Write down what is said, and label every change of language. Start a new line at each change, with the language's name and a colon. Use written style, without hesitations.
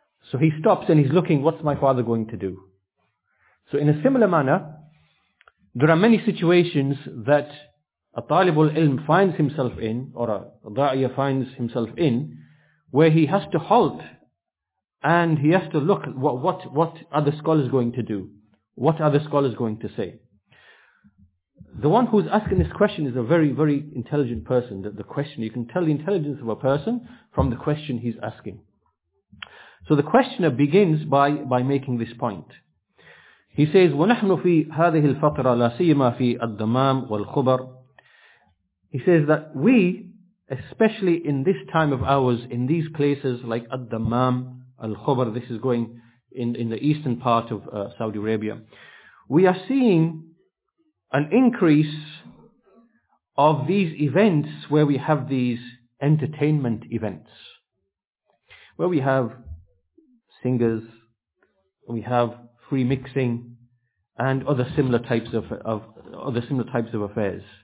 English: So he stops and he's looking, what's my father going to do? So in a similar manner, there are many situations that a talibul ilm finds himself in, or a da'iyah finds himself in, where he has to halt and he has to look, what are the scholars going to do? What are the scholars going to say? The one who's asking this question is a very, very intelligent person. The question, you can tell the intelligence of a person from the question he's asking. So the questioner begins by making this point. He says,
Arabic: وَنَحْنُ فِي هَذِهِ الْفَطْرَةَ لَا سِيَمَا فِي الدَّمَامِ وَالْخُبَرِ.
English: He says that we, especially in this time of ours, in these places like الدَّمَامِ, الْخُبَرِ, this is going in the eastern part of Saudi Arabia, we are seeing an increase of these events where we have these entertainment events, where we have singers, we have free mixing, and other similar types of other similar types of affairs.